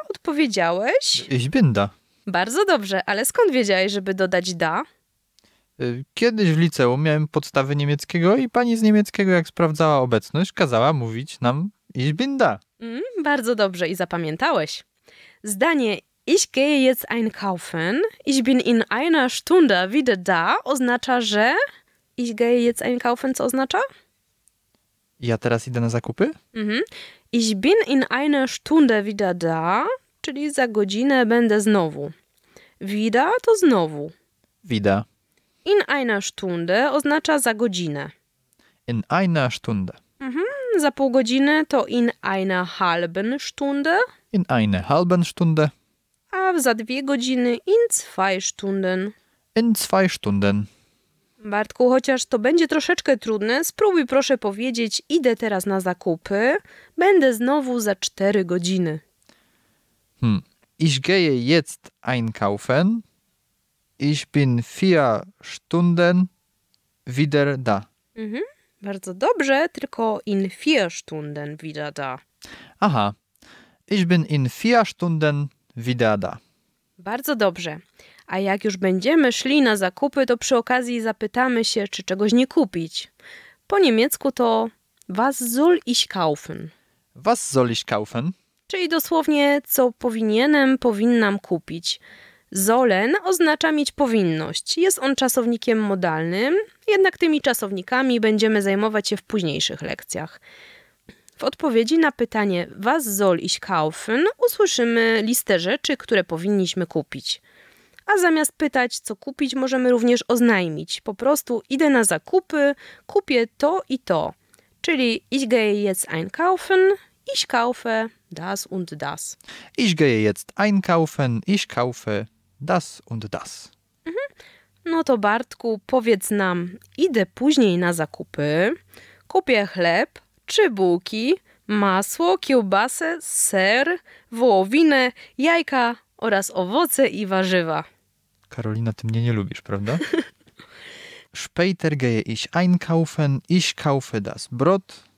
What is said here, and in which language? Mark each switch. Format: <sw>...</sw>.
<pl>Odpowiedziałeś?</pl> <de>Ich bin da.</de> <pl>Bardzo dobrze, ale skąd wiedziałeś, żeby dodać da? Kiedyś w liceum miałem podstawy niemieckiego i pani z niemieckiego, jak sprawdzała obecność, kazała mówić nam</pl> <de>ich bin da.</de> <pl>Bardzo dobrze i zapamiętałeś. Zdanie</pl> <de>ich gehe jetzt einkaufen, ich bin in einer Stunde wieder da</de> <pl>oznacza, że...</pl> <de>Ich gehe jetzt einkaufen,</de> <pl>co oznacza? Ja teraz idę na zakupy?</pl> <de>Ich bin in einer Stunde wieder da,</de> <pl>czyli za godzinę będę znowu. Wieder to znowu.</pl> <de>Wieder. In einer Stunde</de> <pl>oznacza za godzinę.</pl> <de>In einer Stunde.</de> <pl>Za pół godziny to</pl> <de>in einer halben Stunde. In einer halben Stunde.</de> <pl>A za 2 godziny</pl> <de>in zwei Stunden. In zwei Stunden.</de> <pl>Bartku, chociaż to będzie troszeczkę trudne, spróbuj proszę powiedzieć, idę teraz na zakupy, będę znowu za 4 godziny.</pl> <de>Ich gehe jetzt einkaufen. Ich bin 4 Stunden wieder da. Mhm,</de> <pl>bardzo dobrze, tylko</pl> <de>in 4 Stunden wieder da. Aha, ich bin in 4 Stunden wieder da.</de> <pl>Bardzo dobrze. A jak już będziemy szli na zakupy, to przy okazji zapytamy się, czy czegoś nie kupić. Po niemiecku to</pl> <de>was soll ich kaufen? Was soll ich kaufen?</de> <pl>Czyli dosłownie, co powinienem, powinnam kupić. Sollen oznacza mieć powinność. Jest on czasownikiem modalnym, jednak tymi czasownikami będziemy zajmować się w późniejszych lekcjach. W odpowiedzi na pytanie</pl> <de>was soll ich kaufen</de> <pl>usłyszymy listę rzeczy, które powinniśmy kupić. A zamiast pytać, co kupić, możemy również oznajmić. Po prostu idę na zakupy, kupię to i to. Czyli</pl> <de>ich gehe jetzt einkaufen, ich kaufe das und das. Ich gehe jetzt einkaufen, ich kaufe das und das. Mhm.</de> <pl>No to Bartku, powiedz nam, idę później na zakupy, kupię chleb, 3 bułki, masło, kiełbasę, ser, wołowinę, jajka oraz owoce i warzywa. Karolina, ty mnie nie lubisz, prawda?</pl> <de>Später gehe ich einkaufen, ich kaufe das Brot.</de>